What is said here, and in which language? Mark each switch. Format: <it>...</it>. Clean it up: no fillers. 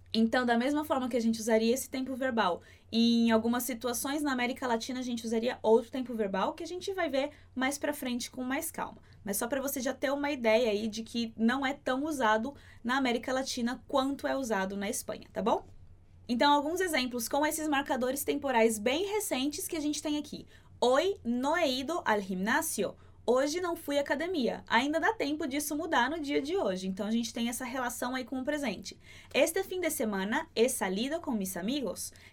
<pt>Então, da mesma forma que a gente usaria esse tempo verbal, em algumas situações na América Latina a gente usaria outro tempo verbal que a gente vai ver mais para frente com mais calma. Mas só para você já ter uma ideia aí de que não é tão usado na América Latina quanto é usado na Espanha, tá bom? Então, alguns exemplos com esses marcadores temporais bem recentes que a gente tem aqui.</pt> <es>Hoy no he ido al gimnasio.</es> <pt>Hoje não fui à academia. Ainda dá tempo disso mudar no dia de hoje. Então a gente tem essa relação aí com o presente.</pt> <es>Este fin de semana he salido con mis amigos.</es>